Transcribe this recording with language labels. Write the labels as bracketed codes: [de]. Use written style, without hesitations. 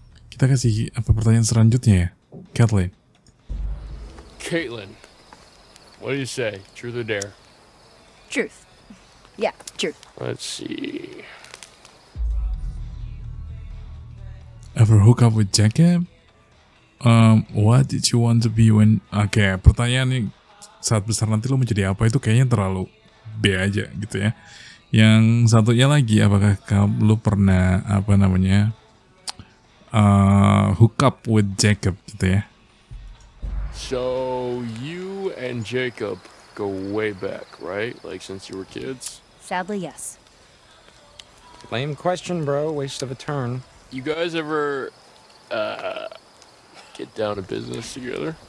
[id] Kita kasih apa pertanyaan selanjutnya ya, Caitlin. [en] Caitlin, what do you say, truth or dare? Truth. Yeah, truth. Let's see. Ever hook up with Jacob? What did you want to be when... [id] Okay, pertanyaan yang saat besar nanti lo menjadi apa itu kayaknya terlalu B aja gitu ya. Yang satunya lagi, apakah lo pernah apa namanya... [en] hook up with Jacob, [id] gitu ya. [en] So, you and Jacob go way back, right? Like, since you were kids? Sadly, yes. Lame question, bro. Waste of a turn. You guys ever, get down to business together?